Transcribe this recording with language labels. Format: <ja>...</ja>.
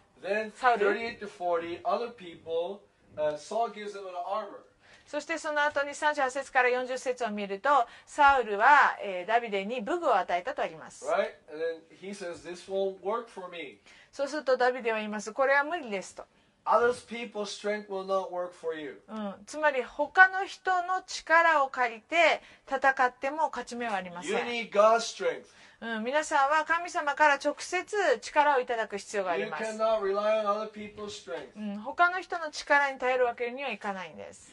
<en>Then, 38 to 40, other people, Saul gives them an armor.</en> <ja>そしてその後に38節から40節を見ると、サウルは、ダビデに武具を与えたとあります。</ja> <en>Right? And then he says, this won't work for me.</en> <ja>そうするとダビデは言います。これは無理ですと。</ja> <en>Other people's strength will not work for you.</en> <ja>つまり他の人の力を借りて戦っても勝ち目はありません。</ja> <en>You need God's strength.</en> <ja>皆さんは神様から直接力をいただく必要があります。</ja> <en>You cannot rely on other people's strength.</en> <ja>他の人の力に頼るわけにはいかないんです。</ja>